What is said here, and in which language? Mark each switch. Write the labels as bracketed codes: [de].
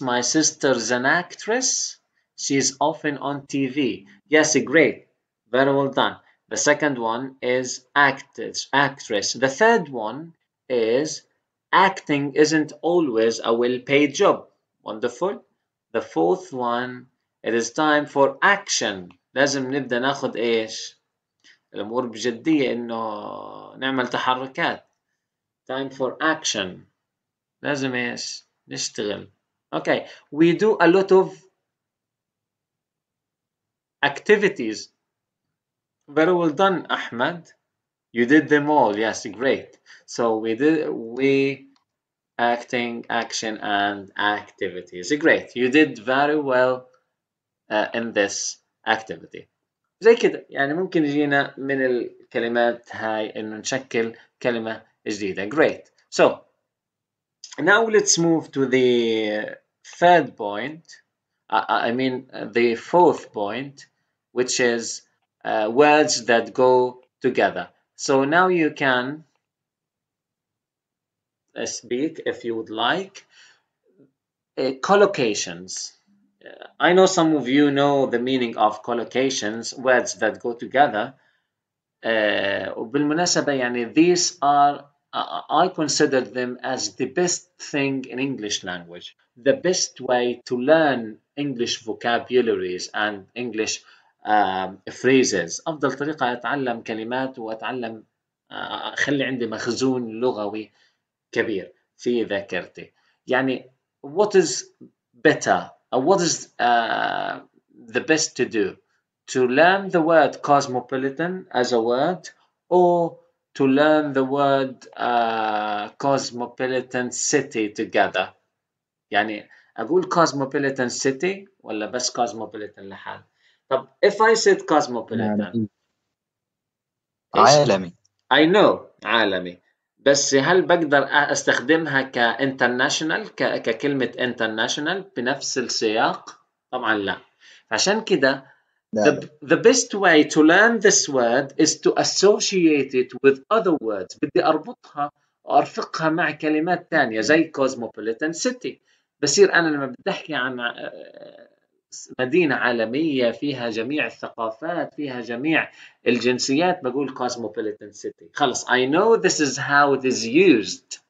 [en] My sister's an actress. She's often on TV. Yes, great. Very well done. The second one is actress. The third one is acting isn't always a well-paid job. Wonderful. The fourth one, it is time for action. [ar] لازم نبدأ ناخد إيش؟ الأمور بجدية، إنه نعمل تحركات. [en] Time for action. [ar] لازم إيش؟ نشتغل. [en] Okay. We do a lot of activities. Very well done, Ahmed. You did them all. Yes, great. So we acting, action, and activities. Great. You did very well in this activity. [ar] زي كده يعني ممكن يجينا من الكلمات هاي انه نشكل كلمة جديدة. [en] Great. So now let's move to the third point. I mean the fourth point, which is words that go together. So now you can speak if you would like. Collocations. I know some of you know the meaning of collocations, words that go together. [ar] وبالمناسبة يعني [en] these are I consider them as the best thing in English language, the best way to learn English vocabularies and English phrases. [ar] أفضل طريقة أتعلم كلمات وأتعلم أخلي عندي مخزون لغوي كبير في ذاكرتي. [en] يعني what is better or what is the best to do? To learn the word cosmopolitan as a word or to learn the word cosmopolitan city together. [ar] يعني أقول cosmopolitan city ولا بس cosmopolitan لحال. [en] طب if I said cosmopolitan [ar] عالمي. [en] I know عالمي. [ar] بس هل بقدر أستخدمها ك international ككلمة international بنفس السياق؟ طبعا لا. عشان كده [en] The best way to learn this word is to associate it with other words. [ar] بدي أربطها وأرفقها مع كلمات تانية زي cosmopolitan city. بصير أنا لما بدي أحكي عن مدينة عالمية فيها جميع الثقافات فيها جميع الجنسيات بقول cosmopolitan city. خلص [en] I know this is how it is used.